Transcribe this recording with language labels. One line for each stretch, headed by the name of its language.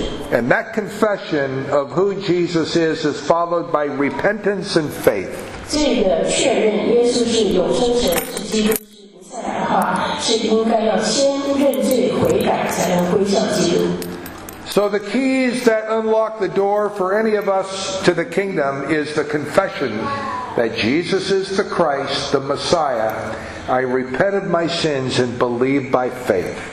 English: And that confession of who Jesus is followed by repentance and faith.
Chinese: 这个确认耶稣是永生神，是基督，是弥赛亚的话，是应该要先认罪悔改，才能归向基督。
English: So the keys that unlock the door for any of us to the kingdom is the confession that Jesus is the Christ, the Messiah. I repent of my sins and believe by faith.